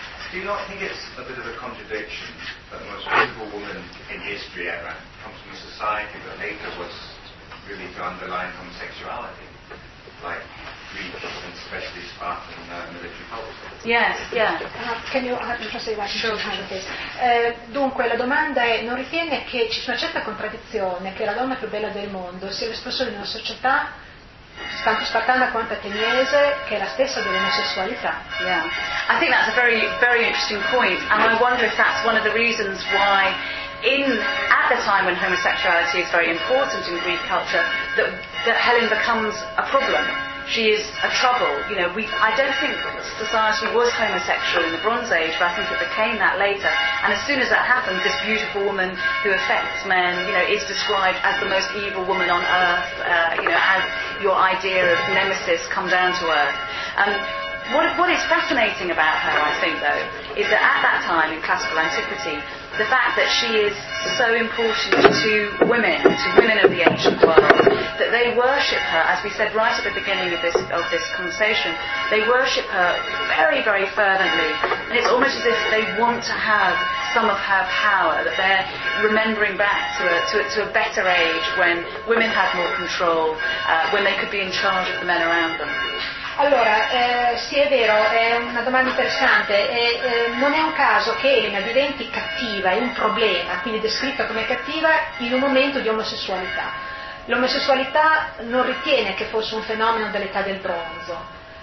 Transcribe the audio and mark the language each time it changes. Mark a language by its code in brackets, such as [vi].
[en] Do you not think it's a bit of a contradiction that the most beautiful woman in history ever comes from a society that later was really to underline homosexuality, like Greek and especially Spartan military culture? Yes, yeah. Can you translate what you're trying to say? Dunque, la domanda è, non ritiene che ci sia una certa contraddizione che la donna più bella del mondo sia l'espressione di una società tanto spartana quanto ateniese che è la stessa dell'omosessualità? Yeah. I think that's a very, very interesting point, and I wonder if that's one of the reasons why at the time when homosexuality is very important in Greek culture, that Helen becomes a problem. She is a trouble. You know, I don't think society was homosexual in the Bronze Age, but I think it became that later. And as soon as that happens, this beautiful woman who affects men, you know, is described as the most evil woman on earth, as your idea of nemesis come down to earth. What is fascinating about her, I think, though, is that at that time in classical antiquity, the fact that she is so important to women of the ancient world, that they worship her, as we said right at the beginning of this conversation, they worship her very, very fervently, and it's almost as if they want to have some of her power, that they're remembering back to a better age when women had more control, when they could be in charge of the men around them. [it] Allora, sì, è vero, è una domanda interessante. Non è un caso che Elena diventi cattiva, è un problema, quindi descritta come cattiva in un momento di omosessualità. L'omosessualità non ritiene che fosse un fenomeno dell'età del bronzo.